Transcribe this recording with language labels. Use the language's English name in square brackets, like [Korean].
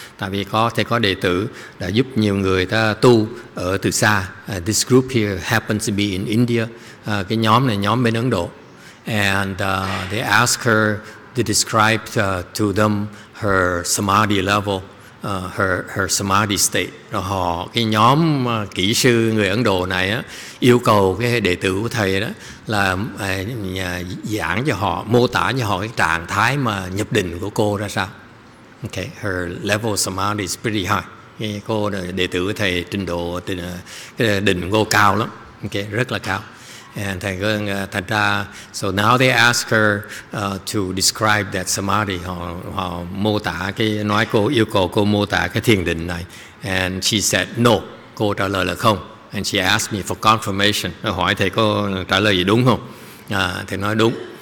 [Vietnamese] Tại vì có đệ tử đã giúp nhiều người ta tu ở từ xa. [English] This group here happens to be in India. [Vietnamese] Cái nhóm này nhóm bên Ấn Độ. [English] and they asked her to describe to them her samadhi level, her samadhi state. [Vietnamese] Rồi họ, cái nhóm kỹ sư người Ấn Độ này á, yêu cầu cái đệ tử của thầy đó là giảng cho họ, mô tả cho họ cái trạng thái mà nhập định của cô ra sao. [English] Okay, her level samadhi is pretty high. [Vietnamese] Okay, cô là đệ tử của thầy, trình độ cái định cô cao lắm. Okay, rất là cao. [English] And [Vietnamese] thành ra, [English] so now they ask her to describe that samadhi. [Vietnamese] Họ mô tả cái, nói cô, yêu cầu cô mô tả cái thiền định này. [English] And she said no. [Vietnamese] Cô trả lời là không. [English] And she asked me for confirmation. [Vietnamese] Nó hỏi thầy cô trả lời gì đúng không? Thầy nói đúng.